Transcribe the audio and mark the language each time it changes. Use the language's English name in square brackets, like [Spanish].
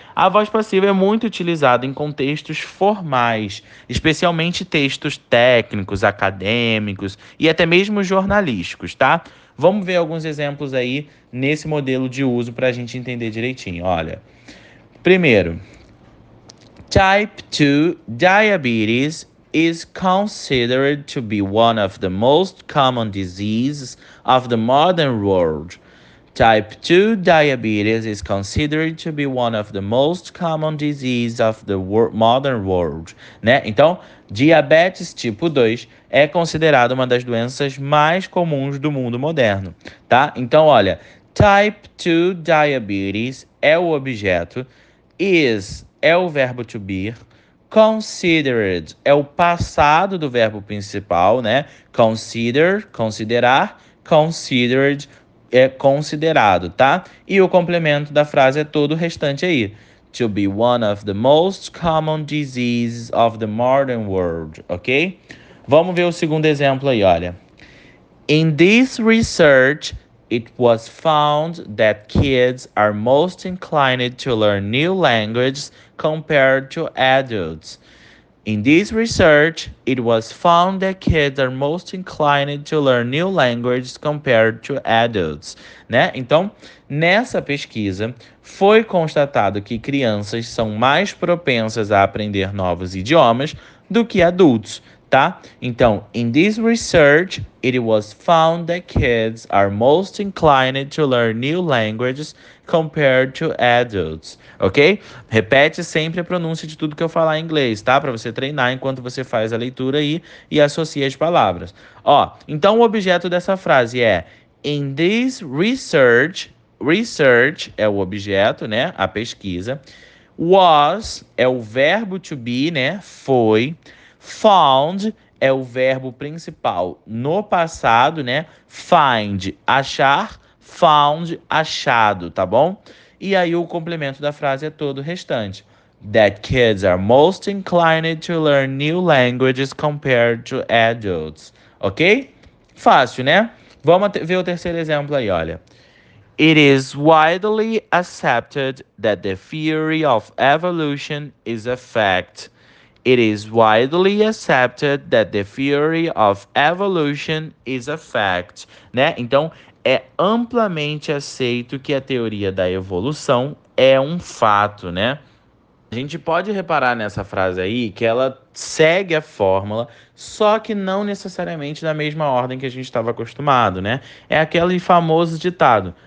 [Portuguese] A voz passiva é muito utilizada em contextos formais, especialmente textos técnicos, acadêmicos e até mesmo jornalísticos, tá? Vamos ver alguns exemplos aí nesse modelo de uso para a gente entender direitinho. Olha, primeiro, [English] Type 2 diabetes is considered to be one of the most common diseases of the modern world. Type 2 diabetes is considered to be one of the most common diseases of the modern world, [Portuguese] né? Então, diabetes tipo 2 é considerada uma das doenças mais comuns do mundo moderno, tá? Então, olha, type 2 diabetes é o objeto, is é o verbo to be, considered é o passado do verbo principal, né? Consider, considerar, considered é considerado, tá? E o complemento da frase é todo o restante aí. [English] To be one of the most common diseases of the modern world, ok? [Portuguese] Vamos ver o segundo exemplo aí, olha. [English] In this research, it was found that kids are most inclined to learn new languages compared to adults. In this research, it was found that kids are most inclined to learn new languages compared to adults, [Portuguese] né? Então, nessa pesquisa, foi constatado que crianças são mais propensas a aprender novos idiomas do que adultos, tá? Então, [English] in this research, it was found that kids are most inclined to learn new languages compared to adults, ok? [Portuguese] Repete sempre a pronúncia de tudo que eu falar em inglês, tá? Para você treinar enquanto você faz a leitura aí e associa as palavras. Ó, então o objeto dessa frase é: [English] In this research, [Portuguese] research é o objeto, né? A pesquisa. Was é o verbo to be, né? Foi. Found é o verbo principal no passado, né? Find, achar. Found, achado, tá bom? E aí o complemento da frase é todo o restante. [English] That kids are most inclined to learn new languages compared to adults. Ok? [Portuguese] Fácil, né? Vamos ver o terceiro exemplo aí, olha. [English] It is widely accepted that the theory of evolution is a fact. It is widely accepted that the theory of evolution is a fact, [Portuguese] né? Então, é amplamente aceito que a teoria da evolução é um fato, né? A gente pode reparar nessa frase aí que ela segue a fórmula, só que não necessariamente na mesma ordem que a gente estava acostumado, né? É aquele famoso ditado: